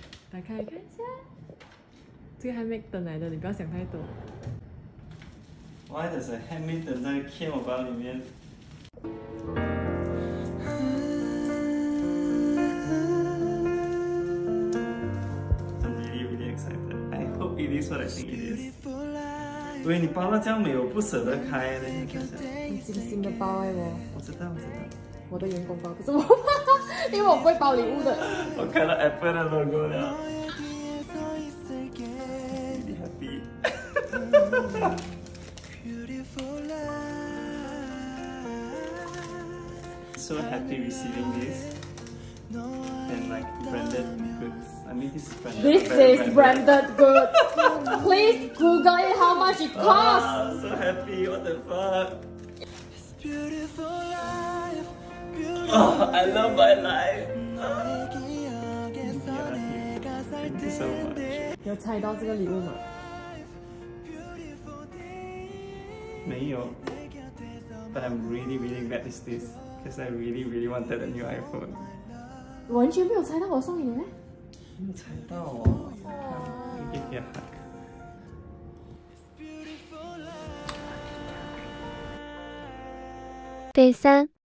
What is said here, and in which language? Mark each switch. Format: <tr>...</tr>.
<zh>打开看一下，这个 handmade 灯来的，你不要想太多。</zh> <en>Why does a handmade</en> <zh>灯在</zh> <en>Kim</en> <zh>我包里面？</zh> <en>I'm really really excited. I hope it is what I think it is.</en> <zh>对，你包了这样美，我不舍得开的，你看一下。精心的包哎，我知道。我的员工包，不是我包。因为我不会包礼物的。我看到 Apple 的 logo 了。</zh> <en>Really happy. So happy receiving this. And like branded goods. I mean, this is branded. This is branded goods. Please Google it. How much it costs? Oh, so happy. What the fuck? Oh, I love my life. Thank you so much.</en> <zh>有猜到这个礼物吗？没有。</zh> <en>But I'm really, really glad it's this, because I really, really wanted a new iPhone.</en> <zh>完全没有猜到我送你的没？没猜到啊！你给你喊。第三。</zh>